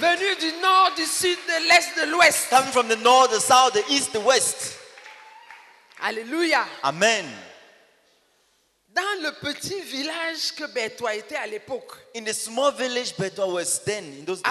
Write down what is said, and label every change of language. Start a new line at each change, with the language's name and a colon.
French: Venus du nord, du sud, de l'est, de l'ouest.
English: Coming from the north, the south, the east, the west.
French: Alléluia.
English: Amen.
French: Dans le petit village que Bertois était à l'époque.
English: In the small village Bertois was then in those days.